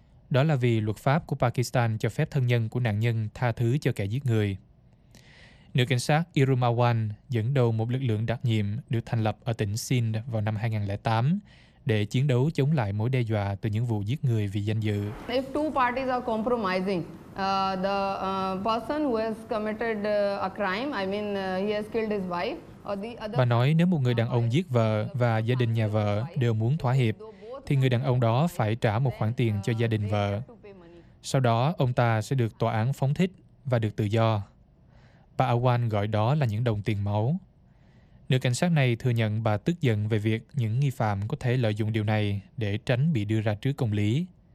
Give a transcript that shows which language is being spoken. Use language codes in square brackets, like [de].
[vi] Đó là vì luật pháp của Pakistan cho phép thân nhân của nạn nhân tha thứ cho kẻ giết người. Nữ cảnh sát Irumawan dẫn đầu một lực lượng đặc nhiệm được thành lập ở tỉnh Sindh vào năm 2008 để chiến đấu chống lại mối đe dọa từ những vụ giết người vì danh dự. [en] If two parties are compromising, the person who has committed a crime, I mean he has killed his wife, or the other. [vi] Bà nói nếu một người đàn ông giết vợ và gia đình nhà vợ đều muốn thỏa hiệp, thì người đàn ông đó phải trả một khoản tiền cho gia đình vợ. Sau đó ông ta sẽ được tòa án phóng thích và được tự do. Bà Awan gọi đó là những đồng tiền máu. Nữ cảnh sát này thừa nhận bà tức giận về việc những nghi phạm có thể lợi dụng điều này để tránh bị đưa ra trước công lý.